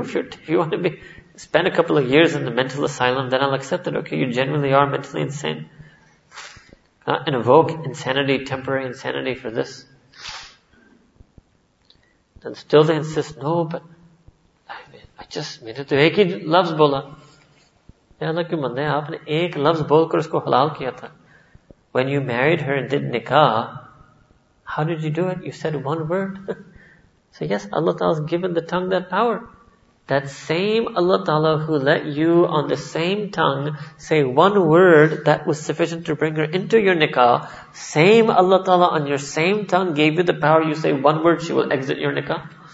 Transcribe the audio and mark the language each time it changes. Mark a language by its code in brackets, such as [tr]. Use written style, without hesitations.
[en] If you want to be spend a couple of years in the mental asylum, then I'll accept it. Okay, you genuinely are mentally insane. Not invoke insanity, temporary insanity for this. And still they insist, no, but I just mean it. [ur] ایک ہی لفظ بولا. یا اللہ کی بندے، آپنے ایک لفظ بول کر اسکو حلال کیا تھا. [en] When you married her and did nikah, how did you do it? You said one word. So yes, Allah Ta'ala has given the tongue that power. That same Allah Ta'ala who let you on the same tongue say one word that was sufficient to bring her into your nikah, same Allah Ta'ala on your same tongue gave you the power, you say one word, she will exit your nikah.